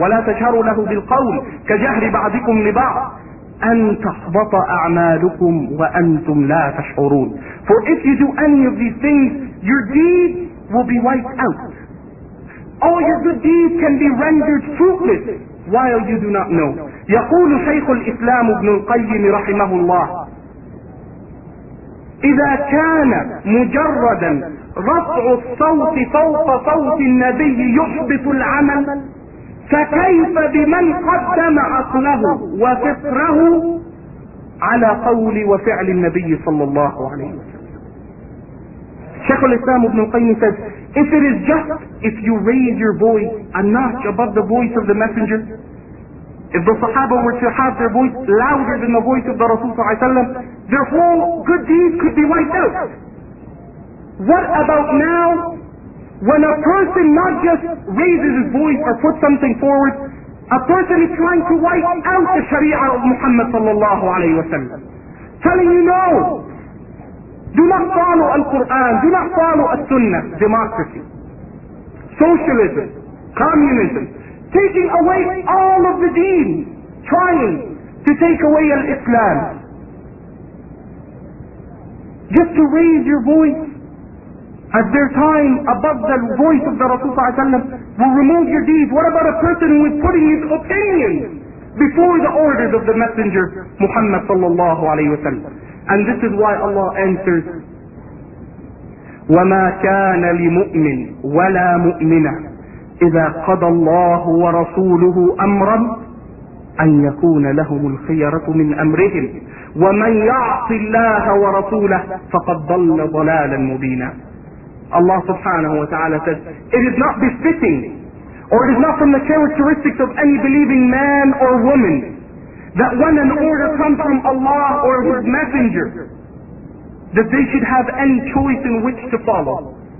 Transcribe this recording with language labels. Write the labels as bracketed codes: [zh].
[ar] وَلَا تَجْهَرُوا لَهُ بِالْقَوْلِ كَجَهْرِ بَعْضِكُمْ لِبَعْضٍ أَنْ تَحْبَطَ أَعْمَالُكُمْ وَأَنْتُمْ لَا تَشْعُرُونَ. [en] For if you do any of these things, your deeds will be wiped out. All your good deeds can be rendered fruitless while you do not know. [ar] يقول شيخ الإسلام ابن القيم رحمه الله إذا كان مجردا رفع الصوت فوق صوت النبي يحبط العمل فكيف بمن قدم عقله وفطره على قول وفعل النبي صلى الله عليه وسلم. [en] شيخ الإسلام ابن القيم said, if it is just if you raise your voice a notch above the voice of the messenger, if the Sahaba were to have their voice louder than the voice of the Rasul sallallahu alayhi wa sallam, their whole good deeds could be wiped out. What about now, when a person not just raises his voice or puts something forward, a person is trying to wipe out the Sharia of Muhammad sallallahu alayhi wa sallam, telling you, no, do not follow Al-Quran, do not follow Al-Sunnah, democracy, socialism, communism, taking away all of the deen, trying to take away al-Islam. Just to raise your voice at their time above the voice of the Rasul sallallahu alayhi wa sallam will remove your deeds. What about a person who is putting his opinion before the orders of the Messenger Muhammad sallallahu alayhi wa sallam? And this is why Allah answers, [ar] وَمَا كَانَ لِمُؤْمِنْ وَلَا مُؤْمِنَةً إِذَا قَضَى اللَّهُ وَرَسُولُهُ أَمْرًا أَنْ يَكُونَ لَهُمُ الْخِيَرَةُ مِنْ أَمْرِهِمْ وَمَنْ يَعْصِ اللَّهَ وَرَسُولَهُ فَقَدْ ضَلَّ ضَلَالًا مُبِينًا. [en] Allah subhanahu wa ta'ala says, it is not befitting, or it is not from the characteristics of any believing man or woman, that when an order comes from Allah or His Messenger, that they should have any choice in which to follow.